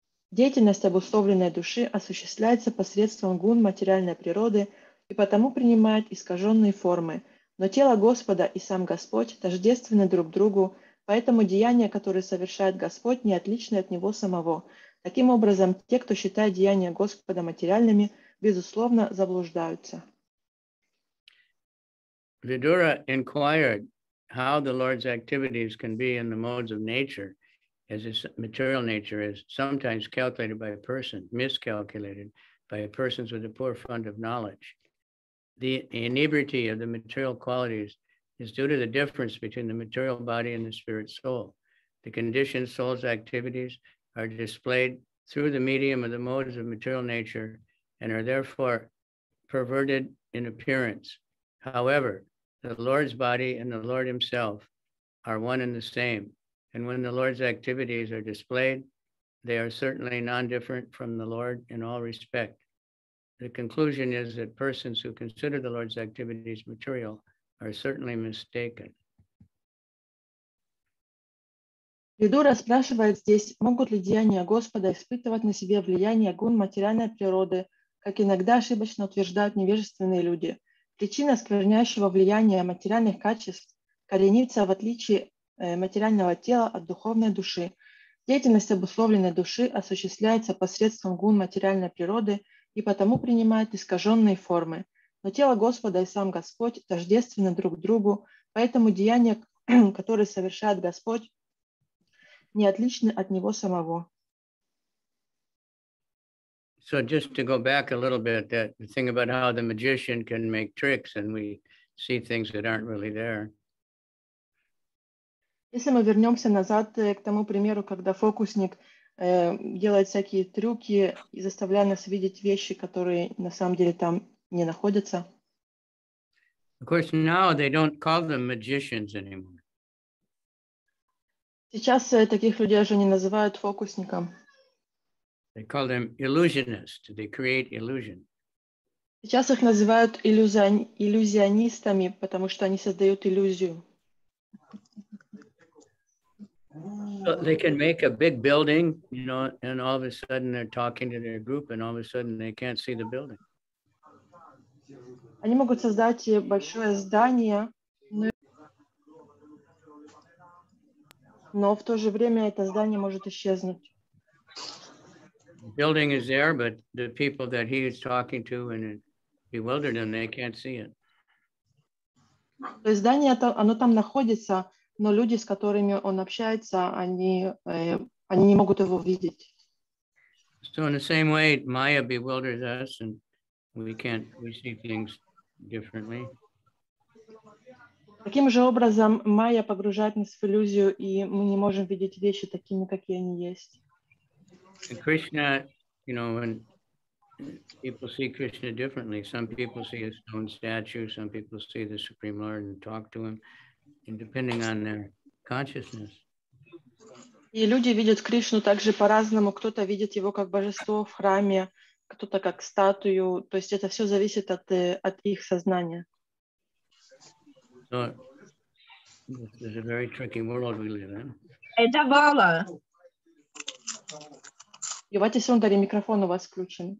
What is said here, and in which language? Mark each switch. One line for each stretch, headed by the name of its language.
Russian: Деятельность обусловленной души осуществляется посредством гун материальной природы и потому принимает искаженные формы. Но тело Господа и сам Господь тождественны друг другу, поэтому деяния, которые совершает Господь, не отличны от Него самого. Таким образом, те, кто считает деяния Господа материальными, безусловно, заблуждаются.
English: Vidura inquired how the Lord's activities can be in the modes of nature, as his material nature is sometimes calculated by a person, miscalculated by persons with a poor fund of knowledge. The inebriety of the material qualities is due to the difference between the material body and the spirit soul. The conditioned soul's activities are displayed through the medium of the modes of material nature and are therefore perverted in appearance. However, the Lord's body and the Lord himself are one and the same. And when the Lord's activities are displayed, they are certainly non-different from the Lord in all respect. The conclusion is that persons who consider the Lord's activities material are certainly mistaken.
Russian: Видура спрашивает здесь, могут ли деяния Господа испытывать на себе влияние гун материальной природы, как иногда ошибочно утверждают невежественные люди. Причина скверняющего влияния материальных качеств коренится в отличии материального тела от духовной души. Деятельность обусловленной души осуществляется посредством гун материальной природы и потому принимает искаженные формы. Но тело Господа и сам Господь тождественны друг другу, поэтому деяния, которые совершает Господь, не отличны от Него самого.
English: So just to go back a little bit, that the thing about how the magician can make tricks and we see things that aren't really there.
Russian: Если мы вернемся назад к тому примеру, когда фокусник делает всякие трюки и заставляет нас видеть вещи, которые на самом деле там не находятся.
English: Of course, now they don't call them magicians anymore.
Russian: Сейчас таких людей уже не называют фокусником.
English: They call them illusionists. They create illusion.
Russian: Сейчас их называют иллюзионистами, потому что они создают иллюзию.
English: So they can make a big building, you know, and all of a sudden they're talking to their group, and all of a sudden they can't see the building.
Russian: Они могут создать большое здание, но в то же время это здание может исчезнуть.
English: Building is there, but the people that he is talking to and it bewildered them, they can't see it.
Russian: То есть здание, оно там находится, но люди, с которыми он общается, они не могут его видеть.
English: So in the same way, Maya bewilders us and we see things differently.
Russian: Таким же образом, Майя погружает нас в иллюзию, и мы не можем видеть вещи такими, какие они есть.
English: And Krishna, you know, when people see Krishna differently, some people see a stone statue, some people see the Supreme Lord and talk to him, and depending on their consciousness.
Russian: И люди видят Кришну также по-разному. Кто-то видит его как божество в храме, кто-то как статую, то есть это все зависит от, от их сознания.
English: This is a very tricky world we live in.
Russian: Это Вала. Ивати Сундари, микрофон у вас включен.